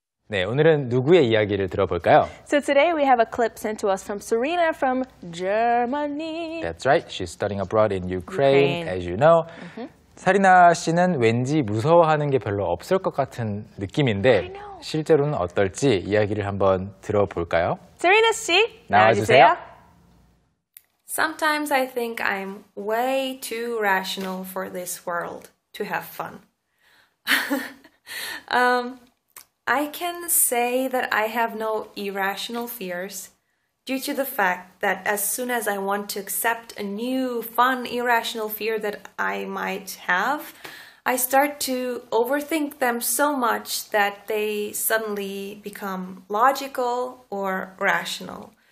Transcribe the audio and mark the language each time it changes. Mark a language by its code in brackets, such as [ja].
[ko] 네, 오늘은 누구의 이야기를 들어볼까요? [en] So today we have a clip sent to us from Serena from Germany. That's right. She's studying abroad in Ukraine, as you know. Mm-hmm. [ko] 사리나 씨는 왠지 무서워하는 게 별로 없을 것 같은 느낌인데 실제로는 어떨지 이야기를 한번 들어볼까요? Serena 씨, 나와주세요. [en] Sometimes I think I'm way too rational for this world to have fun. I can say that I have no irrational fears due to the fact that as soon as I want to accept a new, fun, irrational fear that I might have, I start to overthink them so much that they suddenly become logical or rational.